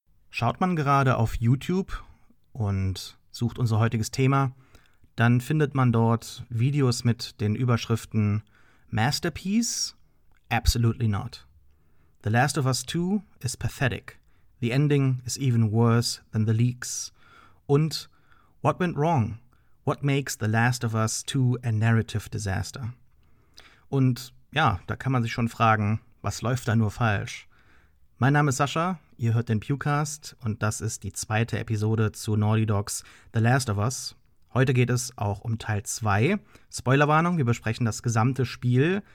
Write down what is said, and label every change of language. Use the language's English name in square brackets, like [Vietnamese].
[German] Schaut man gerade auf YouTube und sucht unser heutiges Thema, dann findet man dort Videos mit den Überschriften Masterpiece? [English] Absolutely not. The Last of Us 2 is pathetic. The ending is even worse than the leaks. Und What went wrong? What makes The Last of Us 2 a narrative disaster? [German] Und ja, da kann man sich schon fragen, was läuft da nur falsch? Mein Name ist Sascha, ihr hört den Pewcast und das ist die zweite Episode zu Naughty Dogs The Last of Us. Heute geht es auch um Teil 2. Spoilerwarnung, wir besprechen das gesamte Spiel.